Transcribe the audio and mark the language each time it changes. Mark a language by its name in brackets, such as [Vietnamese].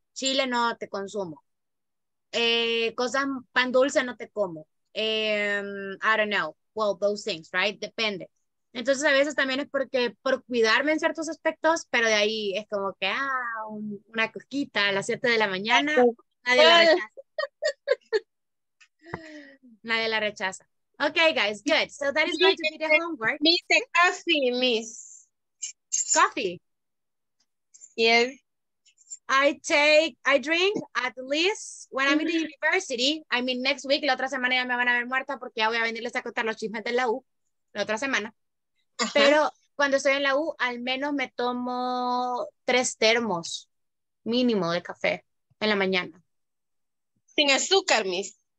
[Spanish] Chile no te consumo. Cosas, pan dulce no te como. [English] I don't know. Well, those things, right? [Spanish] Depende. Entonces, a veces también es porque por cuidarme en ciertos aspectos, pero de ahí es como que, una cosquita a las 7 de la mañana, nadie la rechaza. Nadie la rechaza. [English] Okay, guys, good. So that is going to be the homework. Miss, coffee, Miss. Coffee? Yes. I drink at least when I'm in the university. I mean, next week, [Spanish] la otra semana ya me van a ver muerta porque ya voy a venirles a contar los chismes de la U la otra semana. Uh-huh. Pero cuando estoy en la U, al menos me tomo 3 termos mínimo de café en la mañana. Sin azúcar, Miss.